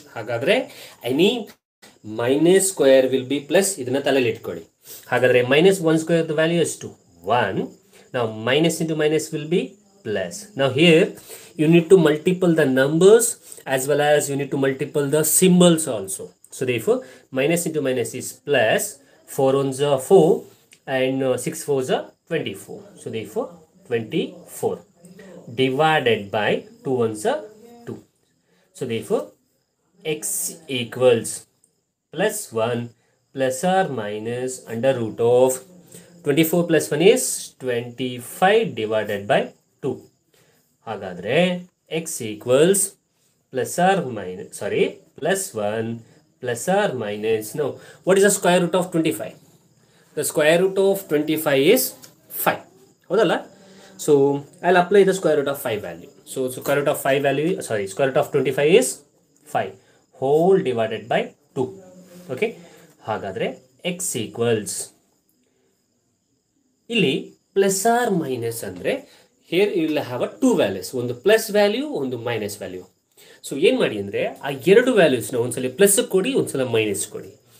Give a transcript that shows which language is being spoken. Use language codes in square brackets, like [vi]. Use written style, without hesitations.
[kn] ಹಾಗಾದರೆ [en] any minus square will be plus, [kn] ಇದನ್ನ ತಲೆಯಲ್ಲಿ ಇಟ್ಕೊಳ್ಳಿ. ಹಾಗಾದರೆ [en] minus one square the value [kn] ಎಷ್ಟು [en] one, [kn] ನಾವು [en] Minus into minus will be plus. [kn] ನಾವು [en] Here you need to multiple the numbers as well as you need to multiple the symbols also. So therefore, minus into minus is plus, 4 ones are 4 and 6 fours are 24. So therefore, 24 divided by 2 ones are 2. So therefore, x equals plus 1 plus or minus under root of 24 plus 1 is 25 divided by 2. [kn] Hagadre [en] x equals plus or minus, sorry, plus 1 plus or minus. No, what is the square root of 25? The square root of 25 is 5. [kn] Hodala? [en] So I'll apply the square root of 5 value. So square root of 5 value, sorry, square root of 25 is 5. Whole divided by 2. Okay. [kn] Hagadre [en] x equals [kn] ಇಲ್ಲಿ [en] plus or minus [kn] ಅಂದರೆ [en] here you will have a two values, [kn] ಒಂದು plus value ಒಂದು minus value. So ಏನು ಮಾಡಿ ಅಂದರೆ ಆ ಎರಡು ವ್ಯಾಲ್ಯೂಸ್ನ ಒಂದ್ಸಲ ಪ್ಲಸ್ ಕೊಡಿ, ಒಂದ್ಸಲ ಮೈನಸ್ ಕೊಡಿ.